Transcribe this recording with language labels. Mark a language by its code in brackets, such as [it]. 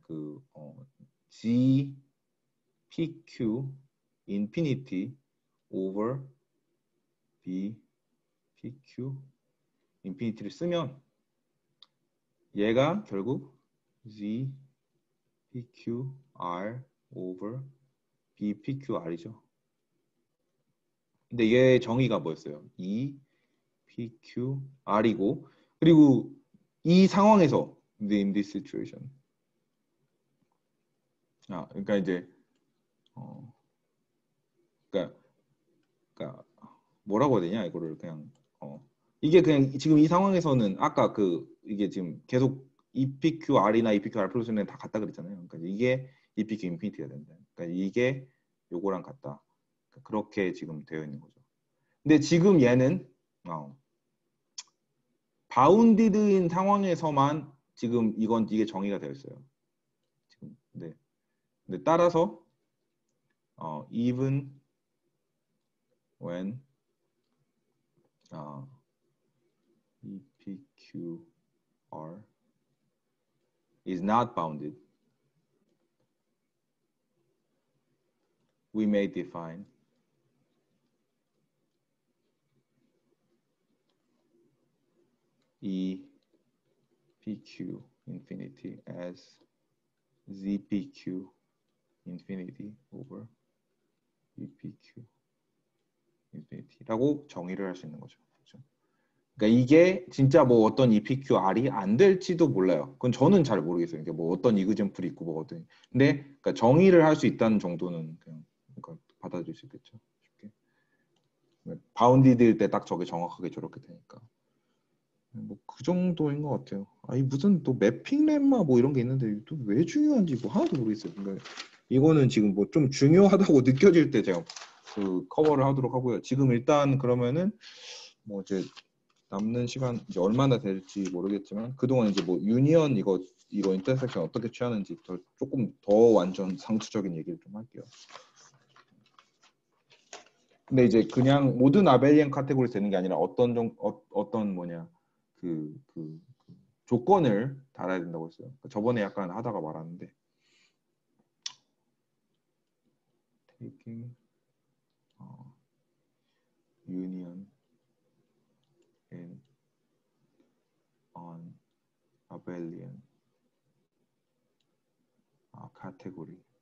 [ko] 그 G PQ infinity over B PQ infinity를 쓰면 얘가 결국 Z PQ R over B PQ R이죠. 근데 얘의 정의가 뭐였어요? E, P, Q, R이고 그리고 이 상황에서 [en] in this situation [ko] 그러니까 이제 그러니까 뭐라고 해야 되냐 이거를 그냥 이게 그냥 지금 이 상황에서는 아까 그 이게 지금 계속 E, P, Q, R이나 E, P, Q, R 플러스는 다 같다 그랬잖아요. 그러니까 이게 E, P, Q, 인피니티가 된다. 그러니까 이게 요거랑 같다. 그렇게 지금 되어 있는 거죠. 근데 지금 얘는 바운디드인 상황에서만 지금 이건 이게 정의가 되어 있어요. 근데 따라서 [en] even when EPQR is not bounded, we may define [ko] E, PQ, infinity as Z, PQ, infinity over E, PQ, infinity라고 정의를 할수 있는 거죠. 그렇죠? 그러니까 이게 진짜 뭐 어떤 E, PQ, R이 안 될지도 몰라요. 그건 저는 잘 모르겠어요. 이게 뭐 어떤 이그젠플이 있고 뭐거든. 근데 그러니까 정의를 할수 있다는 정도는 그냥 받아줄 수 있겠죠. 쉽게. 바운디드일 때딱 저게 정확하게 저렇게 되니까. 뭐그 정도인 것 같아요. 아니 무슨 또 매핑 렘마 뭐 이런 게 있는데 또왜 중요한지 뭐 하나도 모르겠어요. 그러니까 이거는 지금 뭐좀 중요하다고 느껴질 때 제가 그 커버를 하도록 하고요. 지금 일단 그러면은 뭐 이제 남는 시간 이제 얼마나 될지 모르겠지만 그동안 이제 뭐 유니언 이거 이거 인터섹션 어떻게 취하는지 더, 조금 더 완전 상투적인 얘기를 좀 할게요. 근데 이제 그냥 모든 아벨리안 카테고리 되는 게 아니라 어떤 종, 어떤 뭐냐 그 조건을 달아야 된다고 했어요. 그러니까 저번에 약간 하다가 말았는데. [en] Taking union in on abelian category.